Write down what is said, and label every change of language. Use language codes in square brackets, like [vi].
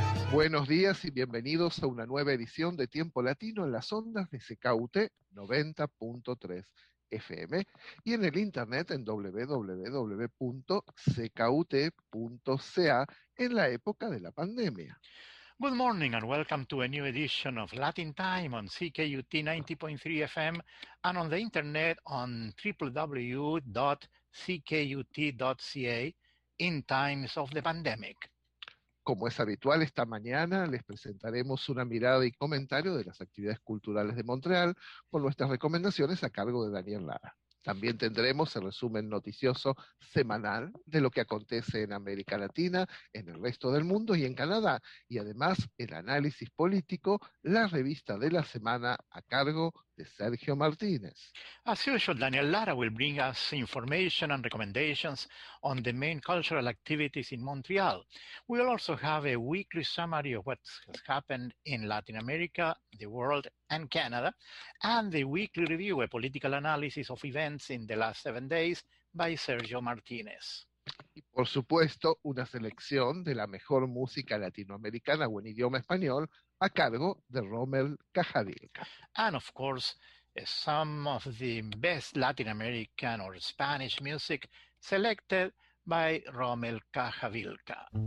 [es] Buenos días y bienvenidos a una nueva edición de Tiempo Latino en las ondas de CKUT 90.3 FM y en el internet en www.ckut.ca en la época de la pandemia. [en] Good morning and welcome to a new edition of Latin Time on CKUT 90.3 FM and on the internet on www.ckut.ca in times of the pandemic. [es] Como es habitual, esta mañana les presentaremos una mirada y comentario de las actividades culturales de Montreal con nuestras recomendaciones a cargo de Daniel Lara. También tendremos el resumen noticioso semanal de lo que acontece en América Latina, en el resto del mundo y en Canadá. Y además, el análisis político, la revista de la semana a cargo de Sergio Martínez. [en] As usual, Daniel Lara will bring us information and recommendations on the main cultural activities in Montreal. We'll also have a weekly summary of what has happened in Latin America, the world, and Canada, and the weekly review, a political analysis of events in the last 7 days, by Sergio Martínez. [es] Y por supuesto, una selección de la mejor música latinoamericana o en idioma español a cargo de Rommel Cajadilca. [en] And of course, some of the best Latin American or Spanish music selected by Rommel Cajavilca.